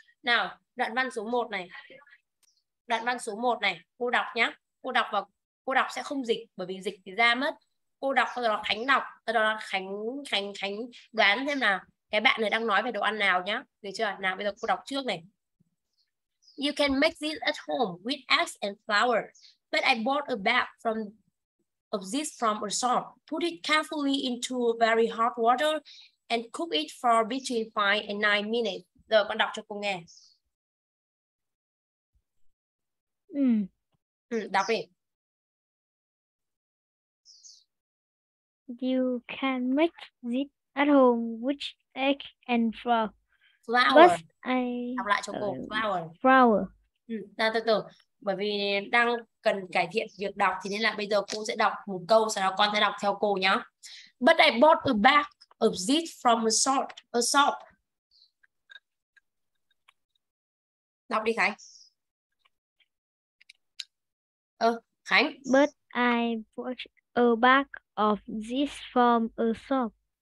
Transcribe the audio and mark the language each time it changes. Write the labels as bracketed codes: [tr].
[vi] Nào, đoạn văn số 1 này. Đoạn văn số 1 này, cô đọc nhá. Cô đọc sẽ không dịch bởi vì dịch thì ra mất. Cô đọc rồi đó Khánh đọc, rồi đó Khánh Khánh Khánh đoán xem nào. Cái bạn này đang nói về đồ ăn nào nhá. Được chưa? Nào bây giờ cô đọc trước này. [en] You can make this at home with eggs and flour, but I bought a bag from a shop. Put it carefully into very hot water and cook it for between 5 and 9 minutes. [vi] Giờ con đọc cho cô nghe. Ừ, đọc đi. [en] You can make this at home with egg and flour. Flour. But I [vi] Đọc lại cho cô. Flour. [en] flour. [vi] Ừ, ta từ từ. Bởi vì đang cần cải thiện việc đọc thì nên là bây giờ cô sẽ đọc một câu, sau đó con sẽ đọc theo cô nhá. [en] But I bought a bag of this from a shop. [vi] Đọc đi Khánh. Khánh. [en] But I bought a bag of this from a shop.